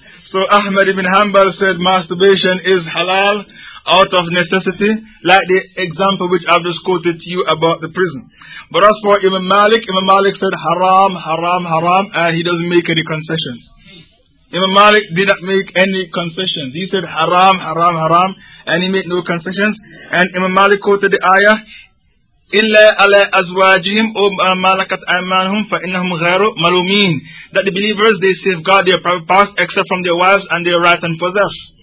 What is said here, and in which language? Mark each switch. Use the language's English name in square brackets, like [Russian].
[English] So Ahmad ibn Hanbal said masturbation is halal out of necessity, like the example which I've just quoted to you about the prison. But as for Imam Malik said haram, haram, haram, and he doesn't make any concessions. Imam Malik did not make any concessions. He said haram, haram, haram, and he made no concessions. And Imam Malik quoted the ayah, [Arabic] إِلَّا عَلَى أَزْوَاجِهِمْ وَمَالَكَتْ أَيْمَانُهُمْ فَإِنَّهُمْ غَيْرُ مَلُومِينَ. [English] That the believers, they safeguard their private parts except from their wives and their right and possess.